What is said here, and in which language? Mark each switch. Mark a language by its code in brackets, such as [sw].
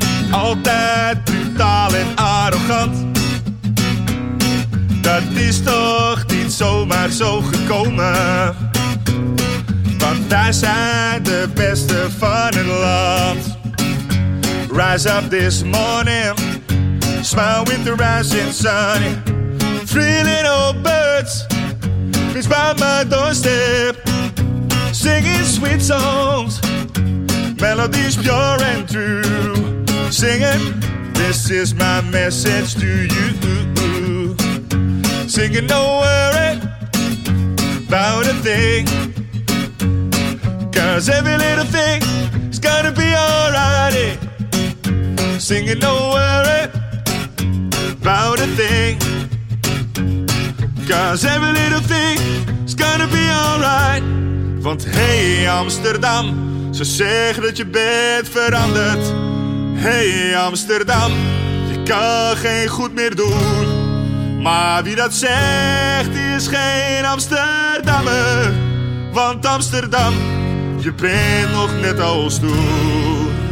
[nl] Altijd brutaal en arrogant. Dat is toch niet zomaar zo gekomen. Want wij zijn de beste van het land. [en] Rise up this morning, smile with the rising sun. Three little birds, reach by my doorstep. Singing sweet songs, melodies pure and true. Singing, this is my message to you. Singing, don't worry about a thing. Cause every little thing is gonna be alright. Singing, don't worry about a thing. Cause every little thing is gonna be alright. [nl] Want hey Amsterdam, ze zeggen dat je bent veranderd. Hey Amsterdam, je kan geen goed meer doen. Maar wie dat zegt is geen Amsterdammer. Want Amsterdam, je bent nog net als toen.